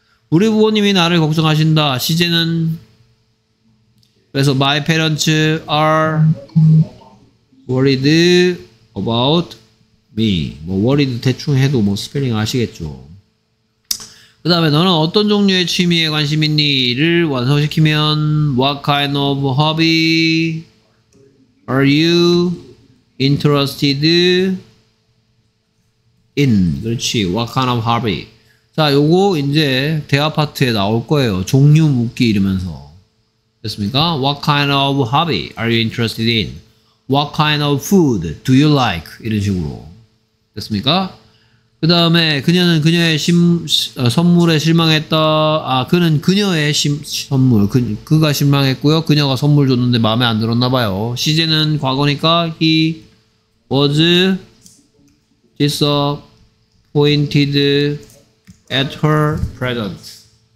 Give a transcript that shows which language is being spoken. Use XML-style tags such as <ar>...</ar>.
<ko>우리 부모님이 나를 걱정하신다. 시제는? 그래서</ko> <en>my parents are worried about me.</en> <ko>뭐 worried 대충 해도 뭐 스펠링 아시겠죠. 그 다음에 너는 어떤 종류의 취미에 관심 있니? 를 완성시키면</ko> <en>what kind of hobby are you interested in?</en> <ko>그렇지.</ko> <en>what kind of hobby.</en> <ko>자, 요거 이제 대화 파트에 나올 거예요. 종류 묻기 이러면서. 됐습니까?</ko> <en>What kind of hobby are you interested in? What kind of food do you like?</en> <ko>이런 식으로. 됐습니까? 그 다음에 그녀는 그녀의 선물에 실망했다. 아, 그는 그녀의 선물. 그가 실망했고요. 그녀가 선물 줬는데 마음에 안 들었나 봐요. 시제는 과거니까</ko> <en>he was disappointed at her present.</en>